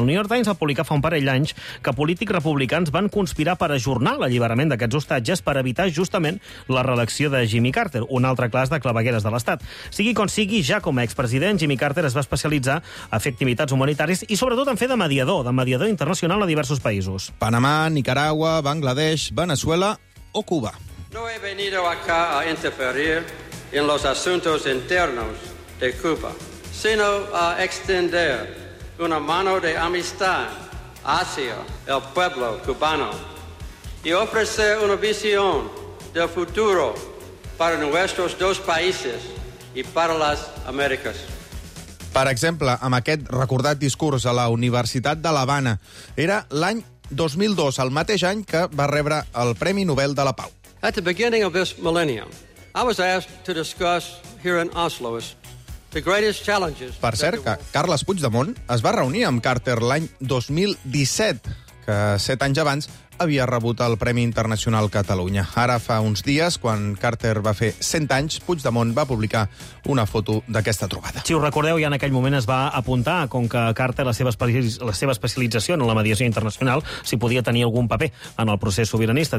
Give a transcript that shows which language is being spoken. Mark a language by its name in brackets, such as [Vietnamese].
[Catalan] El New York Times va publicar fa un parell d'anys que polítics republicans van conspirar per ajornar l'alliberament d'aquests hostatges per evitar, justament, la reelecció de Jimmy Carter, un altre clas de clavegueres de l'estat. Sigui com sigui, ja com a expresident, Jimmy Carter es va especialitzar a fer activitats humanitàries i, sobretot, en fer de mediador internacional a diversos països. Panamà, Nicaragua, Bangladesh, Venezuela o Cuba. [Spanish] No he venido acá a interferir en los asuntos internos de Cuba, sino a extender una mano de amistad hacia el pueblo cubano y ofrecer una visión del futuro para nuestros dos países y para las Américas. [Catalan] Per exemple, amb aquest recordat discurs a la Universitat de La Habana. Era l'any 2002, el mateix any que va rebre el Premi Nobel de la Pau. [English] At the beginning of this millennium, I was asked to discuss here in Oslo the greatest challenges. [Catalan] Per cert, que Carles Puigdemont es va reunir amb Carter l'any 2017, que 7 anys abans havia rebut el Premi Internacional Catalunya. Ara fa uns dies, quan Carter va fer 100 anys, Puigdemont va publicar una foto d'aquesta trobada. Si us recordeu, ja en aquell moment es va apuntar, com que Carter, la seva especialització en la mediació internacional, si podia tenir algun paper en el procés sobiranista.